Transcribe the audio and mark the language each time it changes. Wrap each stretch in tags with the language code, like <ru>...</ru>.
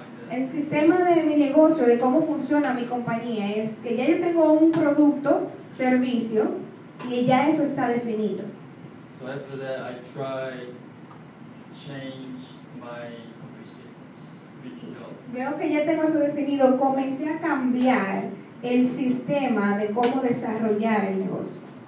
<es>El sistema de mi negocio, de cómo funciona mi compañía, es que ya yo tengo un producto, servicio, y ya eso está definido.</es> <en>So after that, I try change my company systems.</en> <es>Veo que ya tengo eso definido. Comencé a cambiar el sistema de cómo desarrollar el negocio.</es>